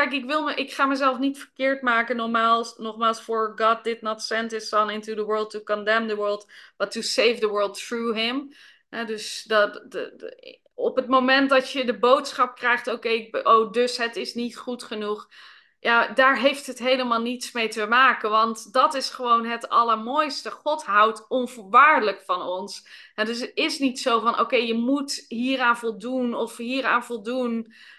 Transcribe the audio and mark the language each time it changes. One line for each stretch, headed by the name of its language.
Dutch: Kijk, ik ga mezelf niet verkeerd maken. Nogmaals,
English: for God did not send his son into the world to condemn the world, but to save the world through him.
Dutch: Dus op het moment dat je de boodschap krijgt, dus het is niet goed genoeg. Ja, daar heeft het helemaal niets mee te maken, want dat is gewoon het allermooiste. God houdt onvoorwaardelijk van ons. En dus het is niet zo van, je moet hieraan voldoen of hieraan voldoen.